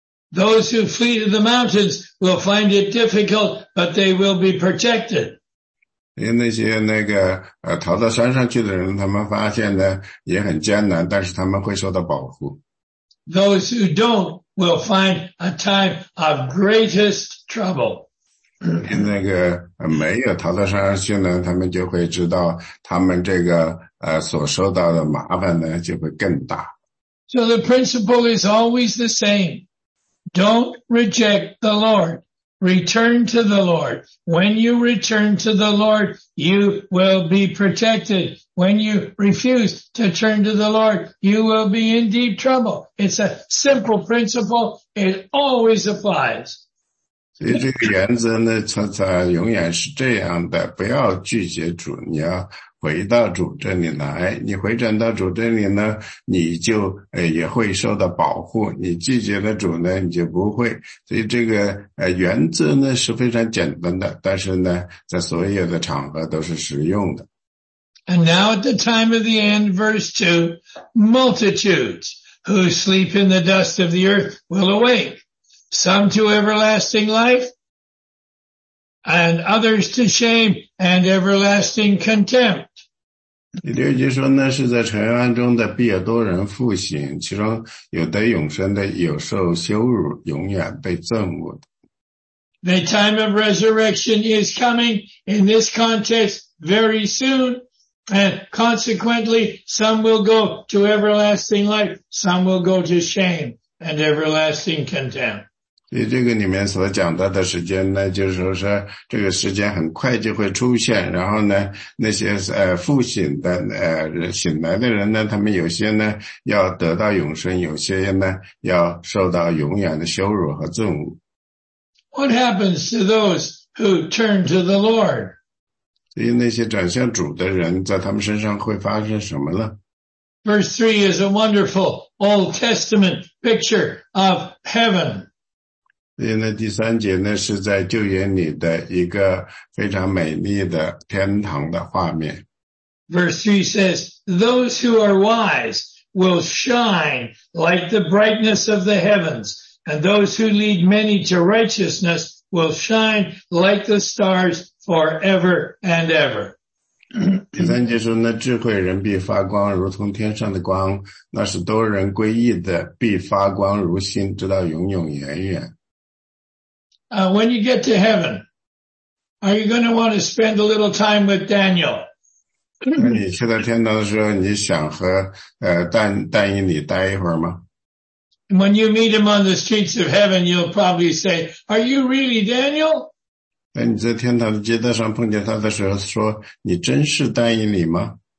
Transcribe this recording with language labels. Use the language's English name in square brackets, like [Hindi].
[English] Those who flee to the mountains will find it difficult, but they will be protected. [Chinese] 因为那些逃到山上去的人，他们发现呢也很艰难，但是他们会受到保护。 [English] Those who don't will find a time of greatest trouble. [Chinese] 那个没有逃到山上去呢，他们就会知道他们这个所受到的麻烦呢就会更大。 [English] So the principle is always the same. Don't reject the Lord. Return to the Lord. When you return to the Lord, you will be protected. When you refuse to turn to the Lord, you will be in deep trouble. It's a simple principle. It always applies. [Chinese] 所以这个原则呢，它永远是这样的。不要拒绝主，你要回到主这里来。你回转到主这里呢，你就也会受到保护。你拒绝了主呢，你就不会。所以这个原则呢是非常简单的，但是呢，在所有的场合都是实用的。 [English] And now at the time of the end, verse 2, multitudes who sleep in the dust of the earth will awake, some to everlasting life, and others to shame and everlasting contempt. [Chinese] 第六节说呢，是在尘埃中的必有多人复醒，其中有得永生的，有受羞辱，永远被憎恶的。 [English] The time of resurrection is coming in this context very soon. And consequently, some will go to everlasting life, some will go to shame and everlasting contempt. [Chinese] 所以这个里面所讲到的时间呢，就是说这个时间很快就会出现，然后呢，那些复醒的醒来的人呢，他们有些呢要得到永生，有些呢要受到永远的羞辱和憎恶。 [English] What happens to those who turn to the Lord? [Chinese] 所以那些转向主的人在他们身上会发生什么呢？ [English] Verse 3 is a wonderful Old Testament picture of heaven. [Chinese] 所以那第三节呢是在旧约里的一个非常美丽的天堂的画面。 [English] Verse 3 says, those who are wise will shine like the brightness of the heavens, and those who lead many to righteousness will shine like the stars forever and ever. [Chinese] 第三节说呢，智慧人必发光如同天上的光，那是多人归义的必发光如星，直到永永远远。 [English] When you get to heaven, are you going to want to spend a little time with Daniel? [Chinese] 你去到天堂的时候，你想和但以理待一会儿吗？ [English] When you meet him on the streets of heaven, you'll probably say, "Are you really Daniel?" [Chinese] 你在天堂的街道上碰见他的时候，说你真是但以理吗？